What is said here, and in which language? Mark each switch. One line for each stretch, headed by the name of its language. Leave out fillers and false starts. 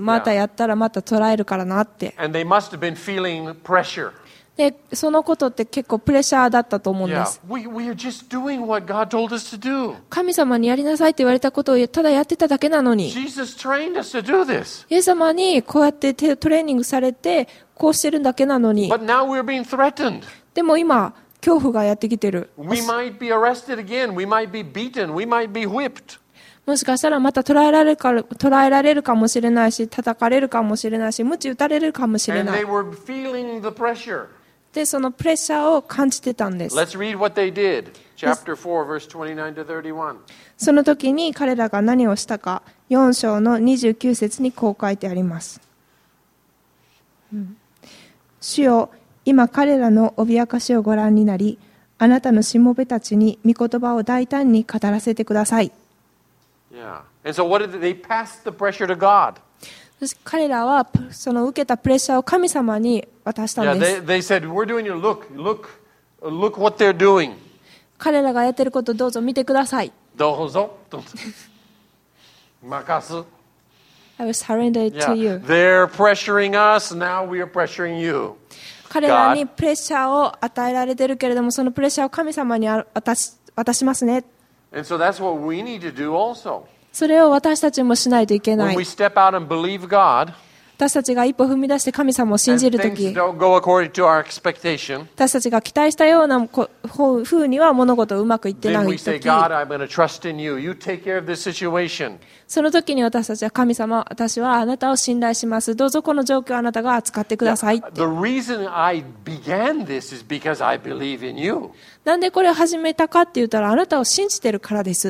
Japanese: またやったらまた捕らえるからなって。
English: And they must have been feeling pressure.
Japanese: でそのことって結構プレッシャーだったと思うんです。
English: Yeah. We are just doing what God told us to do.
Japanese: 神様にやりなさいって言われたことをただやってただけなのに。
English: Jesus trained us to do this.
Japanese: イエス様にこうやってトレーニングされてこうしてるだけなのに。
English: But now we're being threatened.
Japanese: でも今恐怖がやってきてる。
English: We might be arrested again. We might be beaten. We might be whipped.
Japanese: もしかしたらまた捕らえられるかもしれないし、叩かれるかもしれないし、鞭打たれるかもしれない。
English: And they were feeling the pressure.
Japanese: で、そのプレッシャーを感じてたんです。
English: Let's read what they did. Chapter 4, verse 29 to 31.
Japanese: その時に彼らが何をしたか、4章の29節にこう書いてあります。主よ、今彼らの脅かしをご覧になり、あなたのしもべたちに御言葉を大胆に語らせてください。
English: Yeah. And so what did they pass the pressure to God?
Japanese: 彼らはその受けたプレッシャーを神様に渡したんです。
English: Yeah, they said, we're doing your look what they're doing.
Japanese: 彼らがやってることどうぞ見てください。どうぞ。どうぞ任す。
English: I will surrender it to you. Yeah, they're pressuring us, now we are pressuring you.
Japanese: 彼らにプレッシャーを与えられてるけれども、そのプレッシャーを神様に渡しますね。
English: And so that's what we need to do also.
Japanese: それを私たちもしないといけない。
English: When we step out and believe God,
Japanese: 私たちが一歩踏み出して神様を信じるとき、
English: and things don't go according to our expectation,
Japanese: 私たちが期待したような風には物事うまくいってないとき、
English: then we say, God, I'm going to trust in you. You take care of this situation.
Japanese: そのときに私たちは神様、私はあなたを信頼します。どうぞこの状況をあなたが扱ってくださいって。
English: The reason I began this is because I believe in you.
Japanese: なんでこれを始めたかって言ったら、あなたを信じてるからです。